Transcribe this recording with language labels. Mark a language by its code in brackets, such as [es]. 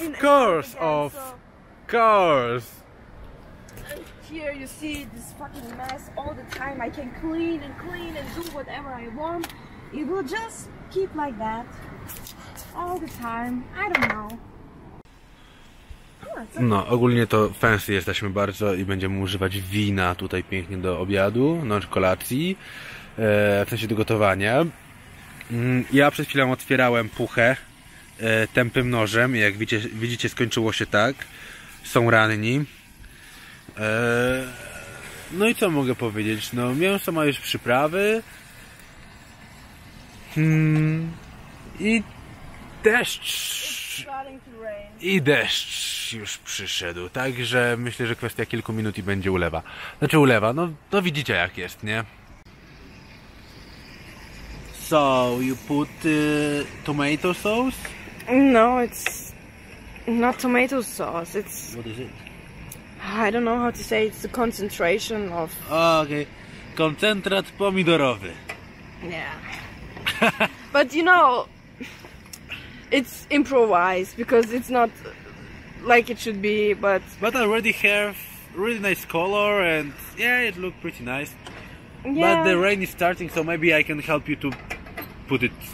[en] and course, again, of so. Course. Here you see this fucking mess all the time. I can clean and clean and do whatever I want. It will just keep like that all the time. I don't know. [pl] No, ogólnie to fancy jesteśmy bardzo i będziemy używać wina tutaj pięknie do obiadu, no kolacji, w sensie do gotowania. Ja przed chwilą otwierałem puchę tępym nożem i jak widzicie, skończyło się tak, są ranni. No i co mogę powiedzieć, no mięso ma już przyprawy i deszcz. I deszcz już przyszedł, także myślę, że kwestia kilku minut i będzie ulewa. Znaczy ulewa, no to widzicie jak jest, nie? [en] So, you put tomato sauce? No, it's not tomato sauce, it's... What is it? I don't know how to say it. It's the concentration of... Okay. [pl] Koncentrat pomidorowy. [en] Yeah. But you know, it's improvised because it's not like it should be, but... But I already have really nice color and yeah, it looked pretty nice. Yeah. But the rain is starting, so maybe I can help you to put it